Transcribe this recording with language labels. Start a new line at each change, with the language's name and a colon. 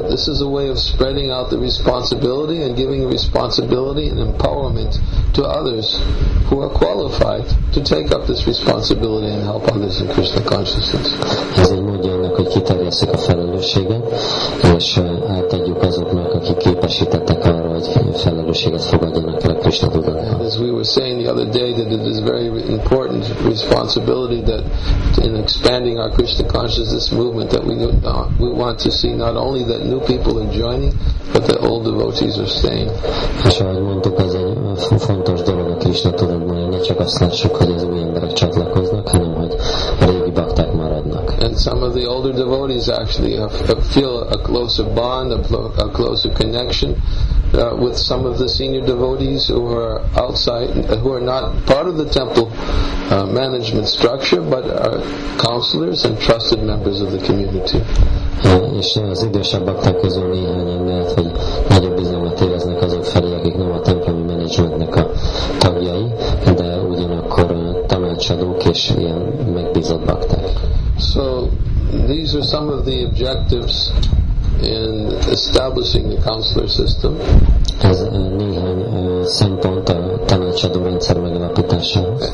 English: So this is a way of spreading out the responsibility and giving responsibility and empowerment to others who are qualified to take up this responsibility and help others in Krishna consciousness.
Hungarian: Ez egy módja annak, hogy kiterjesszük a felelősséget, és átadjuk azoknak, akik képesítettek arra, hogy felelősséget fogadjanak el a Krishna tudatban.
English: As we were saying the other day, that it is a very important responsibility that in expanding our Krishna consciousness movement, that we want to see not only that new people are joining, but that old devotees are staying.
Hungarian: És ahogy mondtuk, ez egy fontos dolog a Krishna tudatban, hogy ne csak azt lássuk, hogy az új emberek csatlakoznak, hanem hogy a régi bakták maradnak.
English: And some of the older devotees actually feel a closer bond, a closer connection with some of the senior devotees who are outside, who are not part of the temple management structure, but are counselors and trusted members of the community.
Hungarian: És az idősebb bakták közül néhányan lehet, hogy nagyobb bizalmat éreznek azok felé, akik nem a templomi menedzsmentnek a tagjai, de ugyanakkor tanácsadók és ilyen megbízott bakták.
English: So these are some of the objectives in establishing the counselor system.
Hungarian: Ez néhány szempont a tanácsadó rendszer megalapításához.